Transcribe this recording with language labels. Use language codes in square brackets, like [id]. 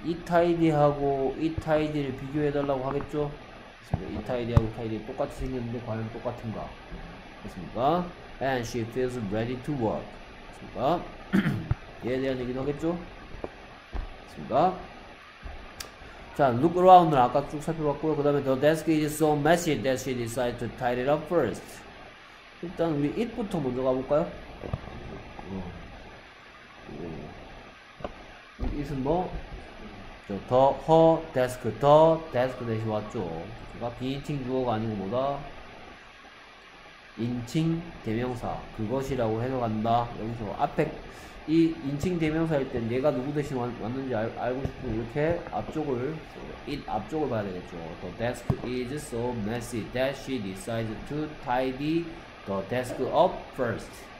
[ko] 이 tidy하고 이 tidy를 비교해달라고 하겠죠? 이 tidy하고 tidy 똑같이 생겼는데, 과연 똑같은가? 그렇습니까? [en] and she feels ready to work. [ko] 그니까, 얘에 대한 얘기도 하겠죠? 그니까, 자, look around을 아까 쭉 살펴봤고요. 그 다음에 [en] the desk is so messy that she decided to tidy it up first. [ko] 일단, 우리 it부터 먼저 가볼까요? it은 뭐? 저, the, her desk, the desk 대신 왔죠. 그니까, 비인칭 주어가 아니고 뭐다? 인칭 대명사 그것이라고 해석한다. 여기서 앞에 이 인칭 대명사일 땐 얘가 누구 대신 왔는지 알고 싶으면 이렇게 앞쪽을 it 앞쪽을 봐야 되겠죠. [en] The desk is so messy that she decided to tidy the desk up first.